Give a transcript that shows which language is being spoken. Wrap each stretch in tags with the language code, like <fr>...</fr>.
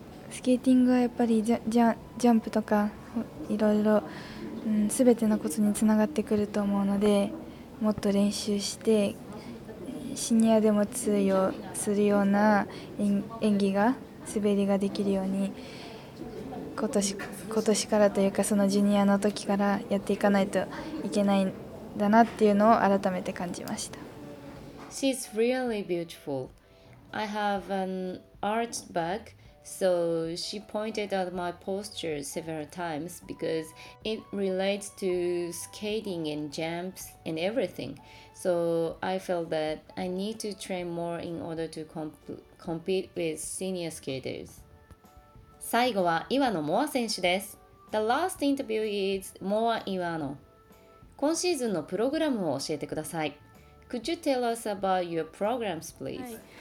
<ja>スケーティングはやっぱりジャンプとかいろいろ全てのことにつながってくると思うので、もっと練習してシニアでも通用するような演技が滑りができるように今年からというかそのジュニアの時からやっていかないといけないんだなっていうのを改めて感じました。</ja> <en>She's really beautiful. I have an arched back, So she pointed at my posture several times because it relates to skating and jumps and everything. So I felt that I need to train more in order to compete with senior skaters.</en> <ja>最後は岩野モア選手です。</ja> <en>The last interview is Moa Iwano.</en> <ja>今シーズンのプログラムを教えてください。</ja> <en>Could you tell us about your programs, please?、</en>